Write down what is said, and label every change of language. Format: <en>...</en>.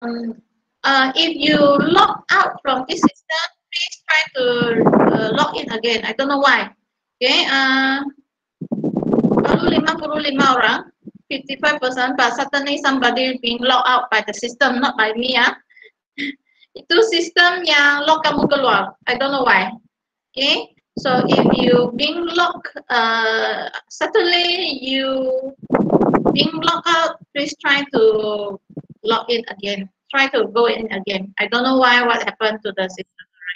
<en>If you log out from this system, please try to log in again. I don't know why. Okay, 55 orang, 55%, but suddenly somebody being logged out by the system, not by me. Ah.</en> <id>Itu system yang log kamu keluar.</id> <en>I don't know why. Okay, so if you being logged, suddenly you being logged out, please try to log in again. Try to go in again. I don't know why what happened to the system.</en>